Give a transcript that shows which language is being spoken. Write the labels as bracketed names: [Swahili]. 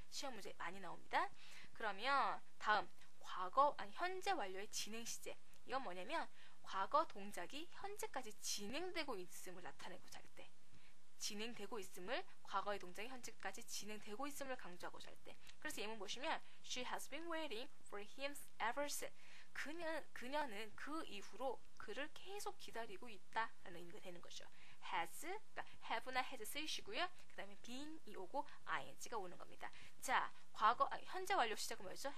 [Korean] 시험 문제 많이 나옵니다. 그러면 다음, 과거, 아니 현재 완료의 진행시제. 이건 뭐냐면 과거 동작이 현재까지 진행되고 있음을 나타내고자 할 때, 진행되고 있음을, 과거의 동작이 현재까지 진행되고 있음을 강조하고자 할 때. 그래서 예문 보시면 [English] She has been waiting for him ever since. [Korean] 그녀는 그 이후로 그를 계속 기다리고 있다 라는 의미가 되는 거죠. has, 그러니까 have나 has 쓰이시고요. 그 다음에 been이 오고 ing가 오는 겁니다. 자, 과거, 아, 현재 완료 시제가 뭐였죠?